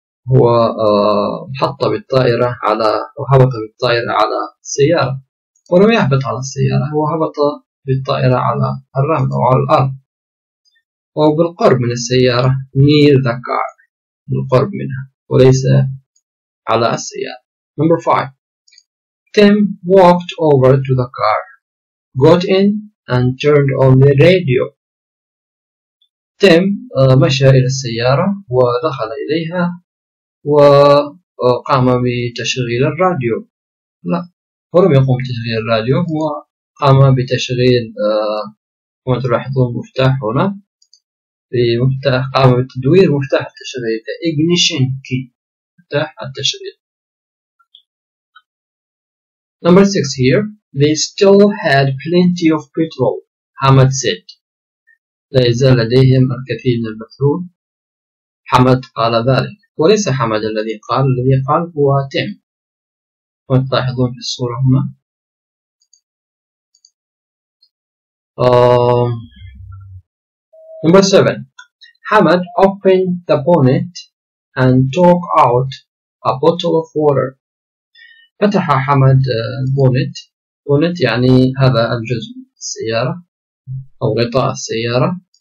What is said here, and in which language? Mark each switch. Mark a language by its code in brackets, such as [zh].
[ar] هو حط بالطائرة على وهبط بالطائرة على السيارة. ولم يهبط على السيارة، هو هبط بالطائرة على الرمل أو على الأرض. أو بالقرب من السيارة. [en] Near the car. [ar] بالقرب منها وليس على السيارة. [en] Number five. Tim walked over to the car, got in, and turned on the radio. [ar] Tim مشى إلى السيارة ودخل إليها وقام بتشغيل الراديو. لا، هو لم يقم بتشغيل الراديو، هو قام بتشغيل كما تلاحظون مفتاح هنا، بمفتاح، قام بتدوير مفتاح التشغيل، ignition key، مفتاح التشغيل. [en] Number six here. They still had plenty of petrol. Hamad said. [ar] لا يزال لديهم الكثير من البترول. حمد قال ذلك. وليس حمد الذي قال، الذي قال هو تيم. وتلاحظون في الصورة هنا. [en] Number seven. Hamad opened the bonnet and took out a bottle of water. [ar] فتح حمد البونت. بونت يعني هذا الجزء من السيارة أو غطاء السيارة.